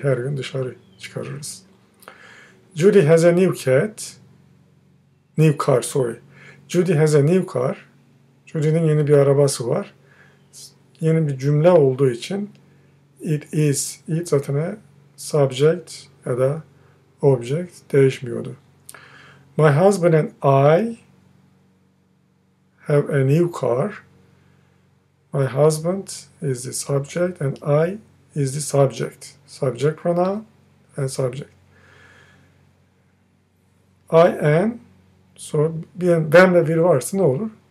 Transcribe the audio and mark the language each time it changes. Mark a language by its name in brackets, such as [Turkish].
[Turkish] Her gün dışarı çıkarırız. [English] Judy has a new cat. New car, sorry. Judy has a new car. [Turkish] Judy'nin yeni bir arabası var. Yeni bir cümle olduğu için [English] it is, [Turkish] it zaten subject ya da object değişmiyordu. [English] My husband and I have a new car. My husband is the subject and I is the subject. Subject pronoun and subject. I am, so [Turkish] ben de bir varsa ne olur?